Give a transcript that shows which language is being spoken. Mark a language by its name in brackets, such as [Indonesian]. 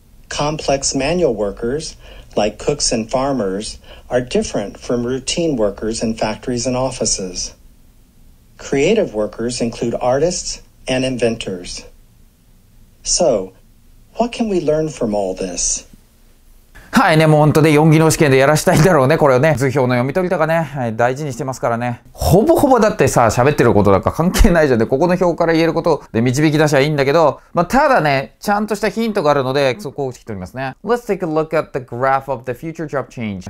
[English] Complex manual workers, like cooks and farmers, are different from routine workers in factories and offices. Creative workers include artists and inventors. So, what can we learn from all this? [Japanese] はいね、もう本当ね、4技能試験でやらしたいんだろうね、これをね。図表の読み取りとかね、はい、大事にしてますからね。ほぼほぼだってさ、喋ってることなんか関係ないじゃんね。ここの表から言えることで導き出しゃいいんだけど、まあ、ただね、ちゃんとしたヒントがあるので、そこを聞き取りますね。 [English] Let's take a look at the graph of the future job change.